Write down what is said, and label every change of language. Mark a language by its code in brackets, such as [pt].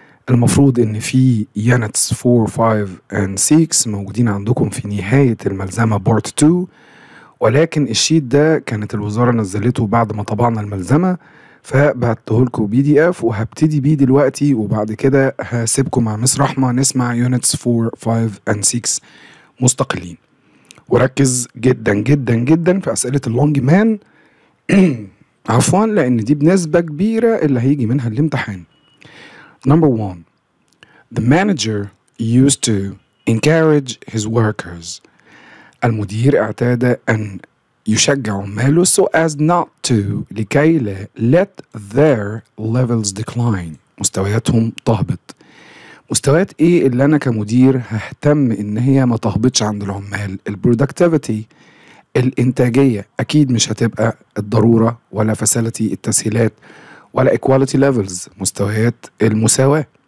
[ar] المفروض ان في يانتس 4 5 and 6 موجودين عندكم في نهاية الملزمة بورت 2، ولكن الشيت ده كانت الوزارة نزلته بعد ما طبعنا الملزمة، فبعته لكم بي دي اف وهبتدي بيه دلوقتي، وبعد كده هسيبكم مع مس رحمة نسمع يونتس 4 5 and 6 مستقلين. وركز جدا جدا جدا في أسئلة اللونج مان عفوا، لأن دي بنسبة كبيرة اللي هيجي منها الامتحان. [en] Number one, the manager used to encourage his workers. [ar] المدير اعتاد أن يشجع عماله، [en] so as not to، [ar] لكي لا، [en] let their levels decline، [ar] مستوياتهم تهبط. مستويات ايه اللي انا كمدير ههتم ان هي ما تهبطش عند العمال؟ البرودكتيفيتي، الانتاجية، اكيد مش هتبقى الضرورة، ولا فاسيلتي، التسهيلات، ولا [en] equality levels، [ar] مستويات المساواة.